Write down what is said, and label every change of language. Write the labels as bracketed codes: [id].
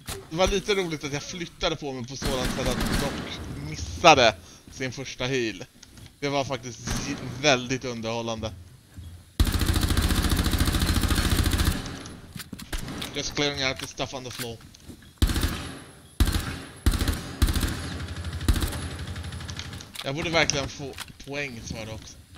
[sv] Det var lite roligt att jag flyttade på mig på sådant sätt att doc missade sin första heal. Det var faktiskt väldigt underhållande. [en] Just clearing out the stuff on the floor. [sv] Jag borde verkligen få poäng för det också.